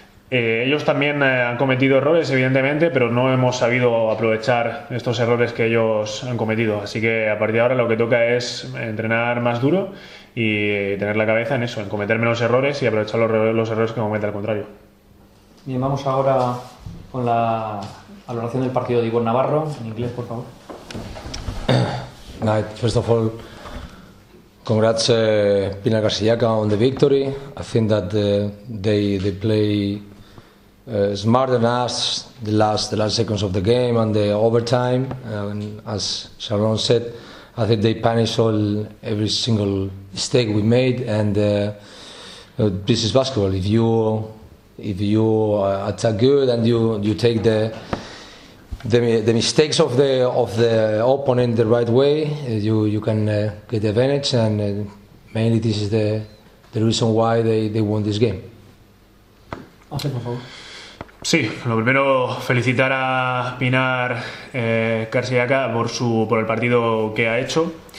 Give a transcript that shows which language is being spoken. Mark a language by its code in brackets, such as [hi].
[es] Ellos también han cometido errores, evidentemente, pero no hemos sabido aprovechar estos errores que ellos han cometido. Así que a partir de ahora lo que toca es entrenar más duro y tener la cabeza en eso, en cometer menos errores y aprovechar los errores que comete al contrario. Bien, vamos ahora con la valoración del partido de Ivor Navarro, en inglés, por favor. [en] First of all, congrats Pina Garciaca on the victory. I think that they play smarter than us the last seconds of the game and the overtime. And as Sharon said, I think they punish all every single mistake we made, and this is basketball. If you attack good and you take the mistakes of the opponent the right way, you can get the advantage. And mainly, this is the reason why they won this game. [es] Okay, por favor. Sí, lo primero, felicitar a Pinar Garciaca por el partido que ha hecho.